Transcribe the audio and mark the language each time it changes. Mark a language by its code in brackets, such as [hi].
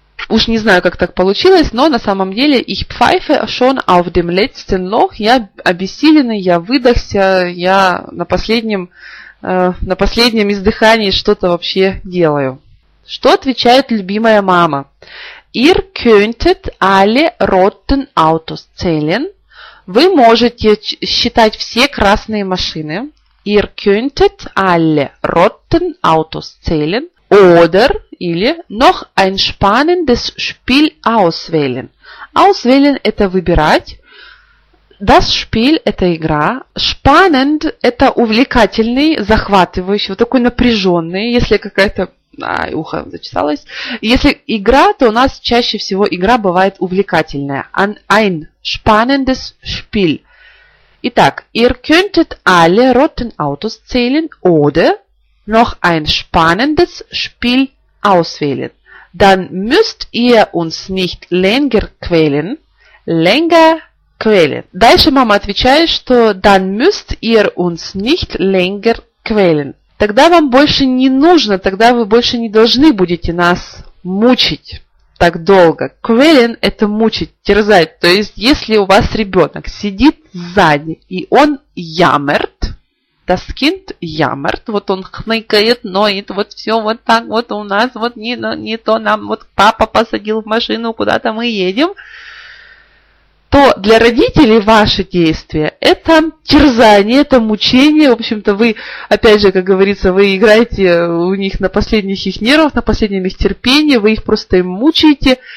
[ru] Уж не знаю, как так получилось, но на самом деле [de] «Ich pfeife schon auf dem letzten Loch» [ru] – я обессиленный, я выдохся, я на последнем издыхании что-то вообще делаю. Что отвечает любимая мама? [de] Ihr könntet alle roten Autos zählen. [ru] Вы можете считать все красные машины. [de] Ihr könntet alle roten Autos zählen. Oder [ru] или [de] noch ein spannendes Spiel auswählen. [ru] Auswählen – это выбирать. Das Spiel – это игра. Spannend – это увлекательный, захватывающий, вот такой напряженный, если какая-то... Ай, ухо зачесалось. Если игра, то у нас чаще всего игра бывает увлекательная. [de] Ein spannendes Spiel. Итак, ihr könntet alle roten Autos zählen oder noch ein spannendes Spiel auswählen. Dann müsst ihr uns nicht länger quälen. Länger quälen. [ru] Дальше мама отвечает, что [de] dann müsst ihr uns nicht länger quälen. [ru] Тогда вам больше не нужно, тогда вы больше не должны будете нас мучить так долго. Quälen – это мучить, терзать. То есть, если у вас ребенок сидит сзади, и он jammert, [de] das Kind jammert, [ru] вот он хныкает, ноет, вот все вот так вот у нас, вот не то нам, вот папа посадил в машину, куда-то мы едем, то для родителей ваши действия – это терзание, это мучение. В общем-то, вы, опять же, как говорится, вы играете у них на последних их нервах, на последнем их терпении, вы их просто мучаете.